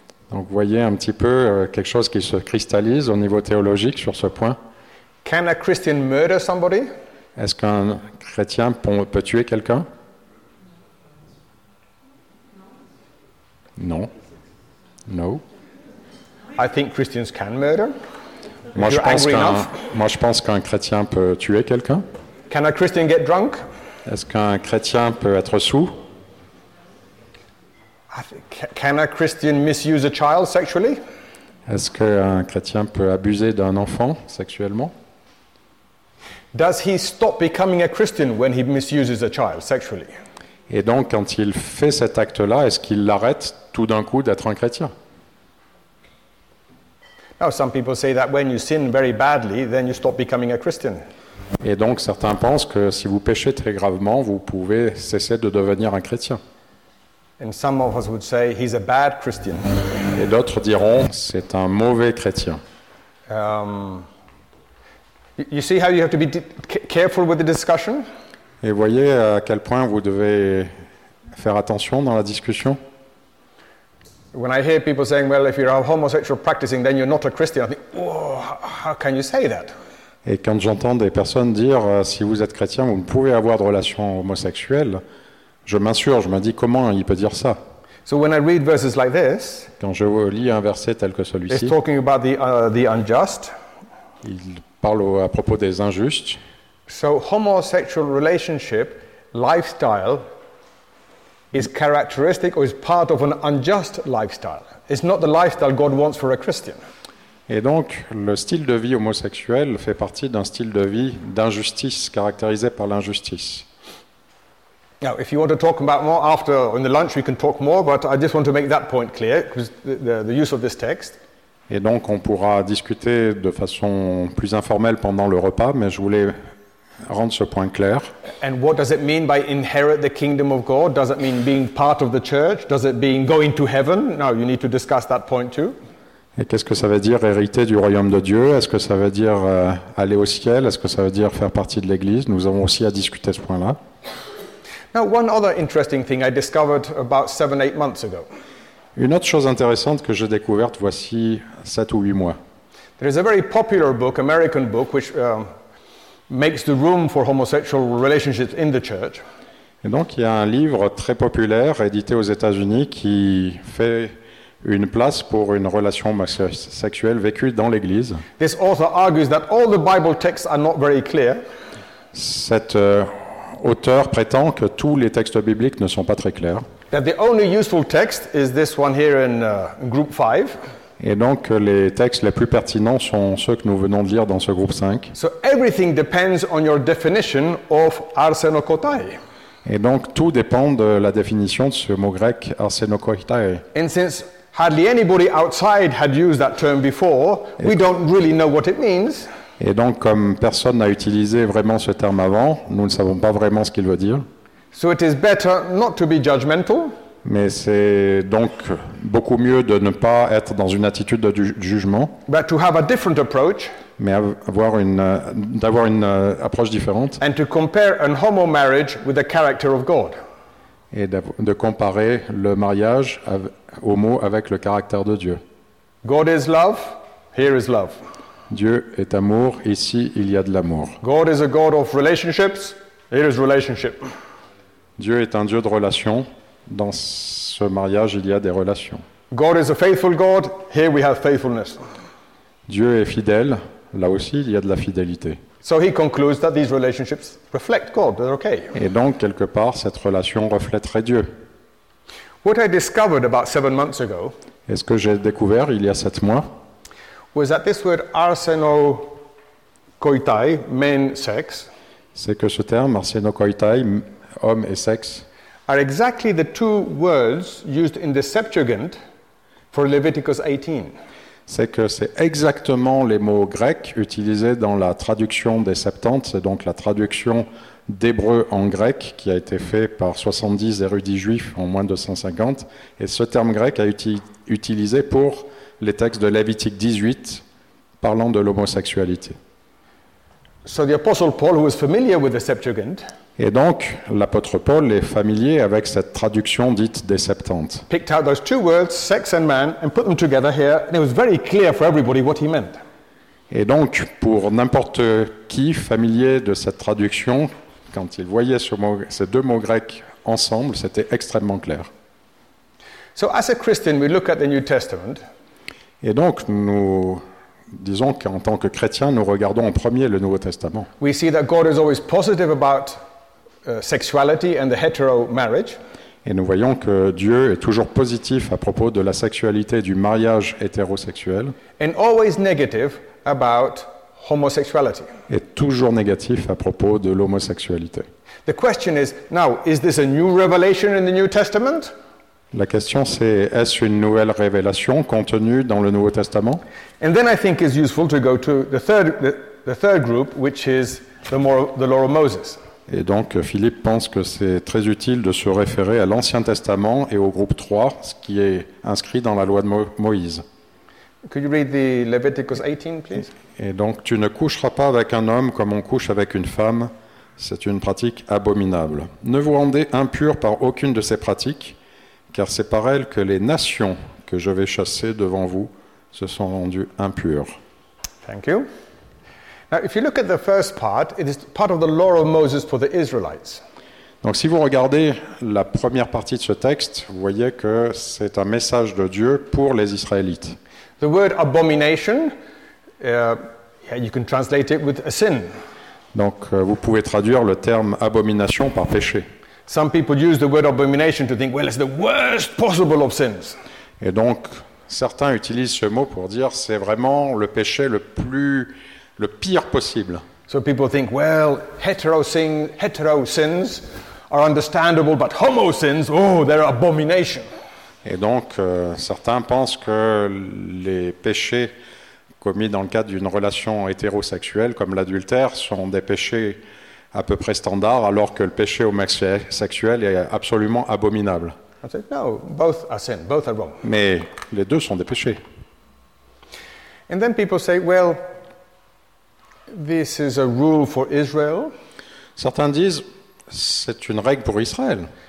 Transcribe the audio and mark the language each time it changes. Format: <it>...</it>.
<fr>Donc, voyez un petit peu quelque chose qui se cristallise au niveau théologique sur ce point.</fr> <en>Can a Christian murder somebody?</en> <fr>Est-ce qu'un chrétien peut tuer quelqu'un? Non.</fr> <en>No. I think Christians can murder.</en> <fr>Moi, je pense qu'un chrétien peut tuer quelqu'un.</fr> <en>Can a Christian get drunk?</en> <fr>Est-ce qu'un chrétien peut être saoul?</fr> <en>Can a Christian misuse a child sexually?</en> <fr>Est-ce qu'un chrétien peut abuser d'un enfant sexuellement?</fr> <en>Does he stop becoming a Christian when he misuses a child sexually?</en> <fr>Et donc, quand il fait cet acte-là, est-ce qu'il l'arrête tout d'un coup d'être un chrétien?</fr> <en>Now, some people say that when you sin very badly, then you stop becoming a Christian.</en> <fr>Et donc, certains pensent que si vous péchez très gravement, vous pouvez cesser de devenir un chrétien.</fr> <en>And some of us would say he's a bad Christian.</en> <fr>Et d'autres diront c'est un mauvais chrétien.</fr> <en>You see how you have to be careful with the discussion?</en> <fr>Et voyez à quel point vous devez faire attention dans la discussion.</fr> <en>When I hear people saying, "Well, if you're a homosexual practicing, then you're not a Christian," I think, how can you say that?"</en> <fr>Et quand j'entends des personnes dire, si vous êtes chrétien, vous ne pouvez avoir de relations homosexuelles, je m'insurge, je me dis, comment il peut dire ça?</fr> <en>So when I read verses like this,</en> <fr>quand je lis un verset tel que celui-ci,</fr> <en>it's talking about the unjust.</en> <fr>Il parle à propos des injustes.</fr> <en>So homosexual relationship lifestyle is characteristic or is part of an unjust lifestyle. It's not the lifestyle God wants for a Christian.</en> <fr>Et donc, le style de vie homosexuel fait partie d'un style de vie d'injustice, caractérisé par l'injustice.</fr> <en>Now, if you want to talk about more after in the lunch, we can talk more. But I just want to make that point clear, because the use of this text.</en> <fr>Et donc, on pourra discuter de façon plus informelle pendant le repas, mais je voulais rendre ce point clair.</fr> <en>And what does it mean by inherit the kingdom of God? Does it mean being part of the church? Does it mean going to heaven? Now, you need to discuss that point too.</en> <fr>Et qu'est-ce que ça veut dire hériter du royaume de Dieu? Est-ce que ça veut dire aller au ciel? Est-ce que ça veut dire faire partie de l'Église? Nous avons aussi à discuter ce point-là.</fr> <en>Now, one other interesting thing I discovered about 7-8 months ago.</en> <fr>Une autre chose intéressante que j'ai découverte voici 7 ou 8 mois.</fr> <en>There is a very popular book, American book, which makes the room for homosexual relationships in the church.</en> <fr>Et donc, il y a un livre très populaire édité aux États-Unis qui fait une place pour une relation sexuelle vécue dans l'Église.</fr> <en>This author argues that all the Bible texts are not very clear.</en> <fr>Cet auteur prétend que tous les textes bibliques ne sont pas très clairs.</fr> <en>That the only useful text is this one here in group 5.</en> <fr>Et donc les textes les plus pertinents sont ceux que nous venons de lire dans ce groupe 5.</fr> <en>So everything depends on your definition of arsenokotai.</en> <fr>Et donc tout dépend de la définition de ce mot grec arsenokotai.</fr> <en>And since hardly anybody outside had used that term before, we don't really know what it means.</en> <fr>Et donc, comme personne n'a utilisé vraiment ce terme avant, nous ne savons pas vraiment ce qu'il veut dire.</fr> <en>So it is better not to be judgmental.</en> <fr>Mais c'est donc beaucoup mieux de ne pas être dans une attitude de jugement.</fr> <en>But to have a different approach.</en> <fr>Mais d'avoir une approche différente.</fr> <en>And to compare an homo marriage with the character of God.</en> <fr>Et de comparer le mariage homo avec le caractère de Dieu.</fr> <en>God is love, here is love.</en> <fr>Dieu est amour, ici il y a de l'amour.</fr> <en>God is a God of relationships, here is relationship.</en> <fr>Dieu est un Dieu de relations, dans ce mariage il y a des relations.</fr> <en>God is a faithful God, here we have faithfulness.</en> <fr>Dieu est fidèle, là aussi il y a de la fidélité.</fr> <en>So he concludes that these relationships reflect God. They're okay.</en> <fr>Et donc quelque part cette relation reflèterait Dieu.</fr> <en>What I discovered about 7 months ago.</en> <fr>Est-ce que j'ai découvert il y a 7 mois?</fr> <en>was that this word arsenokoitai meant sex.</en> <fr>C'est que ce terme arsenokoitai, homme et sexe,</fr> <en>are exactly the two words used in the Septuagint for Leviticus 18.</en> <fr>C'est que c'est exactement les mots grecs utilisés dans la traduction des Septante, c'est donc la traduction d'hébreu en grec qui a été faite par 70 érudits juifs en moins de 150, et ce terme grec a été utilisé pour les textes de Lévitique 18 parlant de l'homosexualité.</fr> <en>So the Apostle Paul was familiar with the Septuagint.</en> <fr>Et donc l'apôtre Paul est familier avec cette traduction dite des Septante.</fr> <en>Picked out those two words, sex and man, and put them together here, and it was very clear for everybody what he meant.</en> <fr>Et donc pour n'importe qui familier de cette traduction, quand il voyait ces deux mots grecs ensemble, c'était extrêmement clair.</fr> <en>So as a Christian, we look at the New Testament.</en> <fr>Et donc nous disons qu'en tant que chrétien, nous regardons en premier le Nouveau Testament.</fr> <en>We see that God is always positive about sexuality and the hetero marriage.</en> <fr>Et nous voyons que Dieu est toujours positif à propos de la sexualité du mariage hétérosexuel.</fr> <en>And always negative about homosexuality.</en> <fr>Et toujours négatif à propos de l'homosexualité.</fr> <en>The question is, now, is this a new revelation in the New Testament?</en> <fr>La question c'est, est-ce une nouvelle révélation contenue dans le Nouveau Testament?</fr> <en>And then I think it's useful to go to the third group, which is the law of Moses.</en> <fr>Et donc Philippe pense que c'est très utile de se référer à l'Ancien Testament et au groupe 3, ce qui est inscrit dans la loi de Moïse.</fr> <en>Could you read the Leviticus 18, please?</en> <fr>Et donc, tu ne coucheras pas avec un homme comme on couche avec une femme. C'est une pratique abominable. Ne vous rendez impur par aucune de ces pratiques, car c'est par elles que les nations que je vais chasser devant vous se sont rendues impures.</fr> <en>Thank you. Now, if you look at the first part, it is part of the law of Moses for the Israelites.</en> <fr>Donc, si vous regardez la première partie de ce texte, vous voyez que c'est un message de Dieu pour les Israélites.</fr> <en>The word abomination, you can translate it with a sin.</en> <fr>Donc, vous pouvez traduire le terme abomination par péché.</fr> <en>Some people use the word abomination to think, well, it's the worst possible of sins.</en> <fr>Et donc, certains utilisent ce mot pour dire, c'est vraiment le péché le pire possible.</fr> <en>So people think, well, hetero sins are understandable, but homo sins, oh, they're abomination.</en> <fr>Et donc, certains pensent que les péchés commis dans le cadre d'une relation hétérosexuelle, comme l'adultère, sont des péchés à peu près standards, alors que le péché homosexuel est absolument abominable.</fr> <en>I said, no, both are sin, both are wrong.</en> <fr>Mais les deux sont des péchés.</fr> <en>And then people say, well, this is a rule for Israel.</en> <fr>Certains disent, c'est une règle pour Israël.</fr>